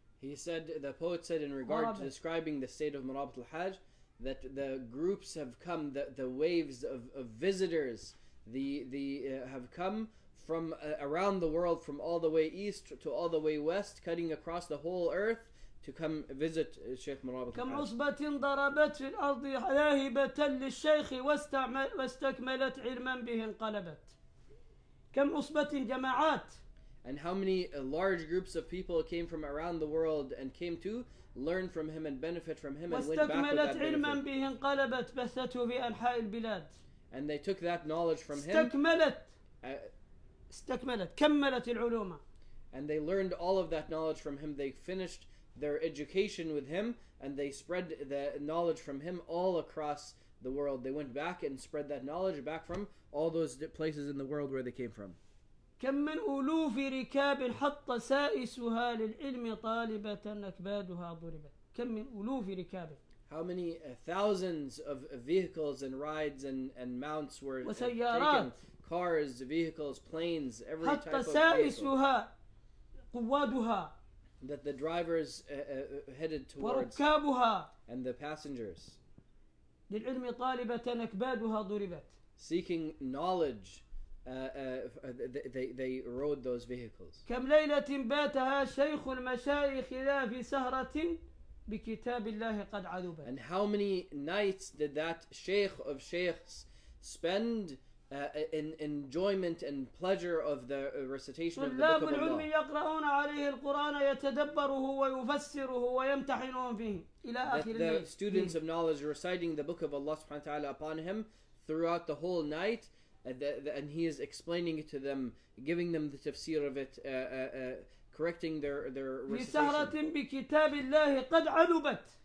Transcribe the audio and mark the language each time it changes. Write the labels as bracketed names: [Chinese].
[English] He said, the poet said in regard to describing the state of Murabit al-Hajj, that the groups have come, that the waves of visitors, have come from around the world, from all the way east to all the way west, cutting across the whole earth to come visit Sheikh Murabit. [Arabic] كم عصبة ضربت في الأرض لاهبة للشيخ واستكملت علما به انقلبت. كم عصبة جماعات. [English] And how many large groups of people came from around the world and came to learn from him and benefit from him and went back with that [Arabic] علما به انقلبت بثته في أنحاء البلاد. [English] And they took that knowledge from him. [Arabic] استكملت كملت العلوم. [English] And they learned all of that knowledge from him. They finished their education with him, and they spread the knowledge from him all across the world. They went back and spread that knowledge back from all those places in the world where they came from. [Arabic] كم من ألوف ركاب حط سائسها للعلم طالبة أكبادها ضربت. كم من ألوف ركاب. [English] How many thousands of vehicles and rides and mounts were taken? Cars, vehicles, planes, every type of vehicle. [Arabic] حط سائسها قوادها. [English] That the drivers headed towards [Arabic] وركابها. [English] And the passengers. [Arabic] للعلم طالبة أكبادها ضربت. [English] Seeking knowledge, they rode those vehicles. [Arabic] كم ليلة باتها شيخ المشايخ لا في سهرة بكتاب الله قد عذبت. [English] And how many nights did that sheikh of sheikhs spend in enjoyment and pleasure of the recitation of the book of Allah. [Arabic] طلاب العلم يقرؤون عليه القرآن يتدبره ويفسره ويمتحنون فيه إلى آخر الليل. [English] The students of knowledge reciting the book of Allah subhanahu wa ta'ala upon him throughout the whole night, and he is explaining it to them, giving them the tafsir of it, correcting their recitation. [Arabic] في سهرة بكتاب الله قد علبت.